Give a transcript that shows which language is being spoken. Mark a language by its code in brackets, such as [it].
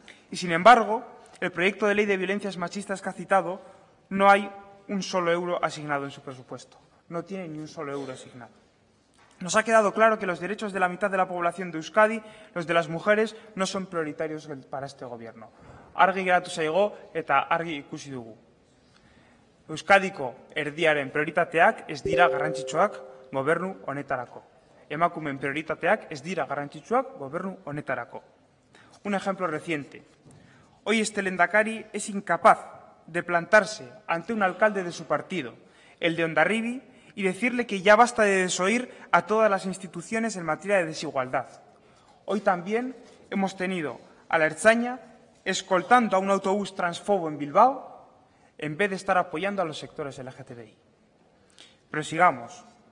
[es] Y, sin embargo, el proyecto de ley de violencias machistas que ha citado no hay un solo euro asignado en su presupuesto. No tiene ni un solo euro asignado. Nos ha quedado claro que los derechos de la mitad de la población de Euskadi, los de las mujeres, no son prioritarios para este Gobierno. [eu] Argi geratu zaigo eta argi ikusi dugu. Euskadiko erdiaren prioritateak ez dira garrantzitsuak Gobernu honetarako. Emakumeen prioritateak ez dira garrantzitsuak Gobernu honetarako. [es] Un ejemplo reciente. Hoy este Lendakari es incapaz de plantarse ante un alcalde de su partido, el de Hondarribi, y decirle que ya basta de desoír a todas las instituciones en materia de desigualdad. Hoy también hemos tenido a la Ertzaina escoltando a un autobús transfobo en Bilbao en vez de estar apoyando a los sectores LGTBI. Pero sigamos.